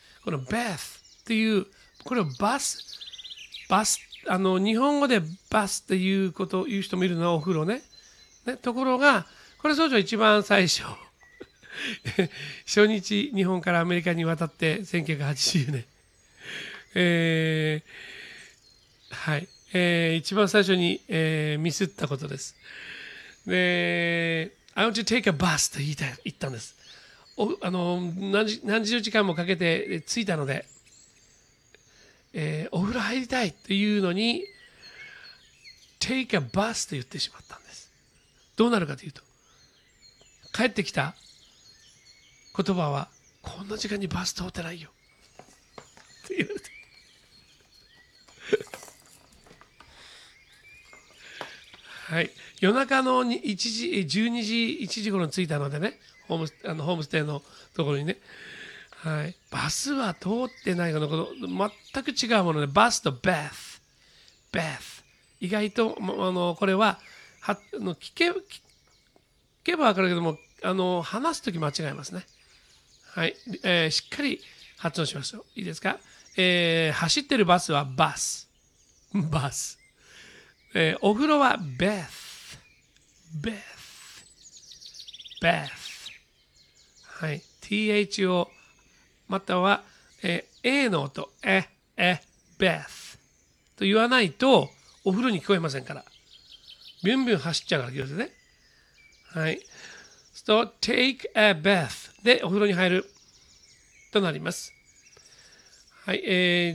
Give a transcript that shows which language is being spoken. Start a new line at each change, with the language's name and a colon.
Japanese: この bath っていう、これをバス、日本語でバスっていうことを言う人もいるのはお風呂ね。ね、ところが、これ少女一番最初。初日、日本からアメリカに渡って1980年。はい。一番最初に、ミスったことです。
English: で、I want to take a bus
Japanese: と言ったんです。何十時間もかけて着いたので、お風呂入りたいというのに、
English: take a bus
Japanese: と言ってしまったんです。どうなるかというと、帰ってきた言葉は、こんな時間にバス通ってないよ。って言われて。はい、夜中の12時、1時頃に着いたのでね、ホームステイのところにね、はい、バスは通ってないかのこと、全く違うもので、バスとバーフ、バーフ、意外とこれ は聞けば分かるけども、話すとき間違えますね。はい、しっかり発音しましょう。いいですか、走ってるバスはバス、バス。お風呂は
English: bath, bath, bath.
Japanese: はい。 th を、または、a の音、え、bath. と言わないと、お風呂に聞こえませんから。ビュンビュン走っちゃうから、気をつけてね。はい。
English: So, take a bath.
Japanese: で、お風呂に入る。となります。はい。